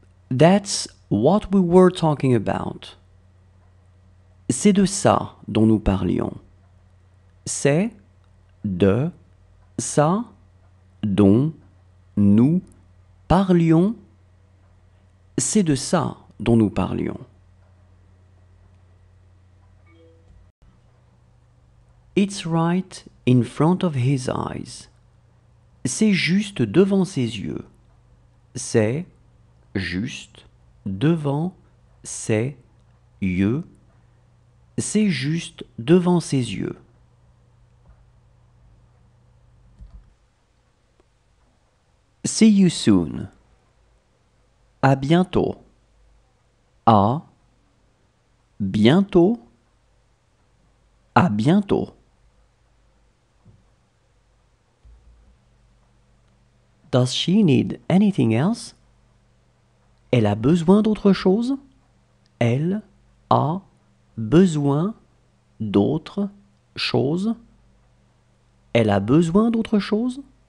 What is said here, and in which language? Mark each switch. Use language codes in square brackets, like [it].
[en] That's what we were talking about. [fr] C'est de ça dont nous parlions. C'est de ça dont nous parlions. C'est de ça dont nous parlions. [en] It's right in front of his eyes. [fr] C'est juste devant ses yeux. C'est juste devant ses yeux. C'est juste devant ses yeux. [en] See you soon. [fr] À bientôt. À bientôt. À bientôt. [en] Does she need anything else? [fr] Elle a besoin d'autre chose? Elle a besoin d'autre chose? Elle a besoin d'autre chose?